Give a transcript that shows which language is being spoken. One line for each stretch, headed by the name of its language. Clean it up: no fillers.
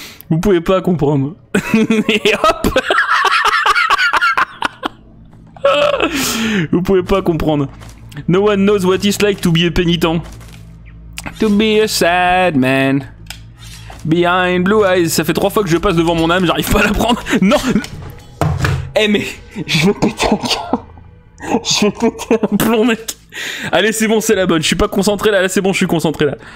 French: Vous pouvez pas comprendre. Et hop. Vous pouvez pas comprendre.
English: No one knows what it's like to be a penitent. To be a sad man. Behind blue eyes.
French: Ça fait trois fois que je passe devant mon âme, j'arrive pas à la prendre. Non. Eh mais, je vais péter un câble. Je vais péter un plomb, mec. Allez, c'est bon, c'est la bonne. Je suis pas concentré là. Là, c'est bon, je suis concentré.